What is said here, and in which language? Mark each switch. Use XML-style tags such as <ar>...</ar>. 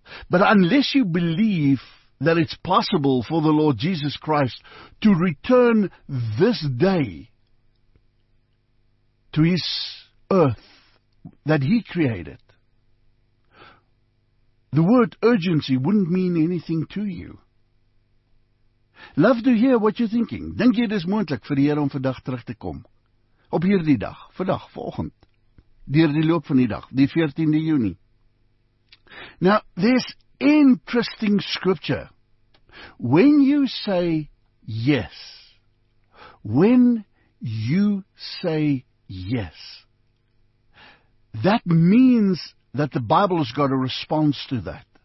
<en>But unless you believe that it's possible for the Lord Jesus Christ to return this day to His earth that He created, the word urgency wouldn't mean anything to you. Love to hear what you're thinking.</en> <af>Dink jy dis moontlik vir die Here om vandag terug te kom? Op hierdie dag, vandag, vanoggend, deur die loop van die dag, die 14de Junie.</af> <en>Now, there's interesting scripture. When you say yes, when you say yes, that means that the Bible has got a response to that.</en>